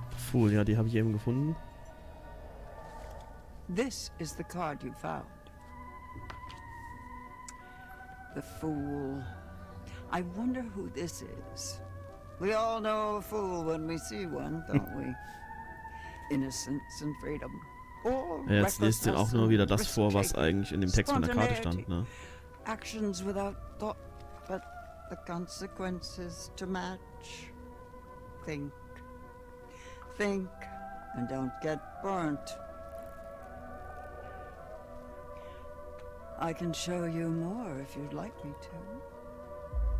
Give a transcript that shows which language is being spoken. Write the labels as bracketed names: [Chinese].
[German] Puh, ja, die habe ich eben gefunden. [English] This is the card you found. The fool. I wonder who this is. We all know a fool when we see one, don't we? Innocence and freedom. [German] Ja, jetzt lest ihr auch nur wieder das vor, was eigentlich in dem Text von der Karte stand, ne? [English] Actions without thought, but the consequences to match. Think. Think and don't get burnt. I can show you more if you'd like me to.